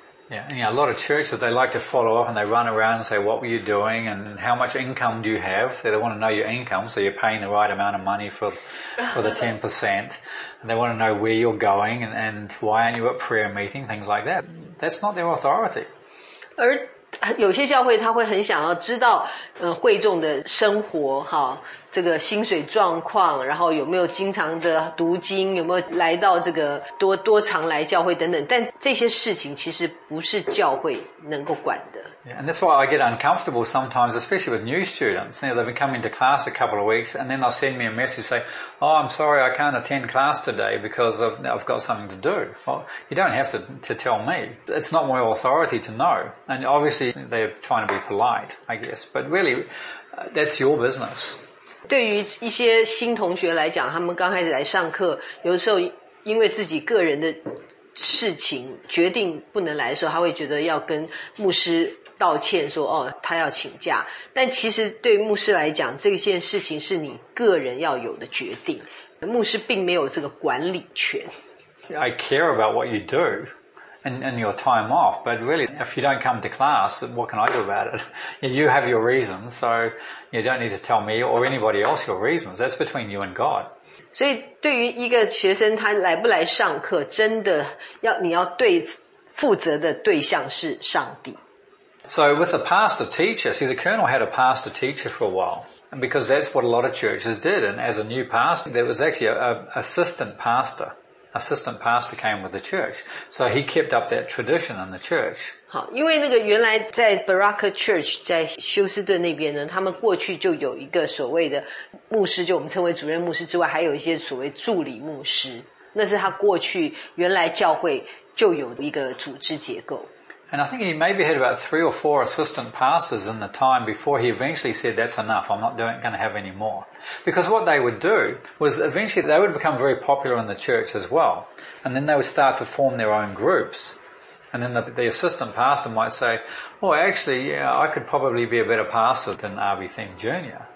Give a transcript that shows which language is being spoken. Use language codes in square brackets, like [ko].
[en] Yeah, and yeah, a lot of churches they like to follow up and they run around and say, what were you doing and how much income do you have? So they want to know your income, so you're paying the right amount of money for the 10%. And they want to know where you're going and why aren't you at prayer meeting, things like that. That's not their authority. [zh] 而有些教会他会很想要知道会众的生活哈，这个薪水状况，然后有没有经常的读经，有没有来到这个多常来教会等等，但这些事情其实不是教会能够管的。 [en] Yeah, and that's why I get uncomfortable sometimes, especially with new students. They've been coming to class a couple of weeks and then they'll send me a message say, oh, I'm sorry, I can't attend class today because I've got something to do. Well, you don't have to tell me. It's not my authority to know. And obviously they're trying to be polite, I guess. But really, that's your business. [zh] 对于一些新同学来讲，他们刚开始来上课，有时候因为自己个人的事情决定不能来的时候，他会觉得要跟牧师道歉说，哦，他要请假。但其实对牧师来讲，这件事情是你个人要有的决定，牧师并没有这个管理权。 [en] I care about what you do and your time off, but really, if you don't come to class, what can I do about it? You have your reasons, so you don't need to tell me or anybody else your reasons. That's between you and God. [zh] 所以对于一个学生他来不来上课，真的要你要对负责的对象是上帝。 [en] So with a pastor teacher, see the colonel had a pastor teacher for a while, and because that's what a lot of churches did, and as a new pastor, there was actually an assistant pastor came with the church, so he kept up that tradition in the church. [zh] 好，因为那个原来在 Baraka Church 在休斯顿那边呢，他们过去就有一个所谓的牧师，就我们称为主任牧师之外，还有一些所谓助理牧师，那是他过去原来教会就有一个组织结构。 [en] And I think he maybe had about three or four assistant pastors in the time before he eventually said, that's enough, I'm not going to have any more. Because what they would do was eventually they would become very popular in the church as well. And then they would start to form their own groups. And then the assistant pastor might say, well, actually, yeah, I could probably be a better pastor than R.B. Thing Jr.